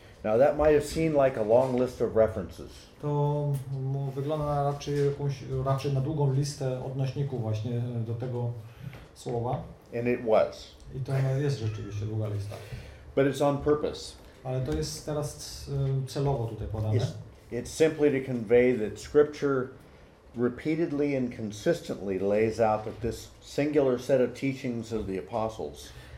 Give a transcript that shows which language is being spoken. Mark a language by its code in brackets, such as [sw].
[en] Now that might have seemed like a long list of references. [pl] To wygląda na raczej na długą listę odnośników właśnie do tego słowa. [en] And it was. [pl] I to jest rzeczywiście długa lista. [en] But it's on purpose. [pl] Ale to jest teraz celowo tutaj podane. [en] It's simply to convey that Scripture repeatedly and consistently lays out that this singular set of teachings of the apostles.